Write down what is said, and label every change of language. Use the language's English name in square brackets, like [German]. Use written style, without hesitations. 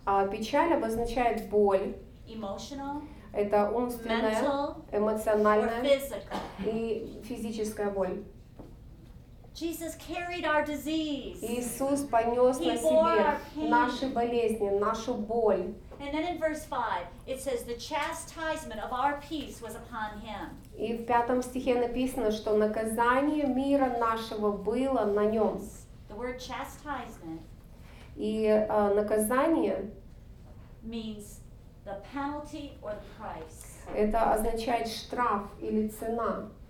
[Russian] Печаль обозначает боль. [English] Emotional. [Russian] Это умственная, [English] mental, [Russian] эмоциональная [English] or physical. [Russian] И физическая боль. [English] Jesus carried our disease. [Russian] Иисус понес [English] he [Russian] на себе наши болезни, нашу боль. [English] And then in verse 5, it says the chastisement of our peace was upon him. [Russian] И в 5 стихе написано, что наказание мира нашего было на нем. [English] The word chastisement. [Russian] И наказание [English] means the penalty or the price. [Russian] Это означает штраф или цена.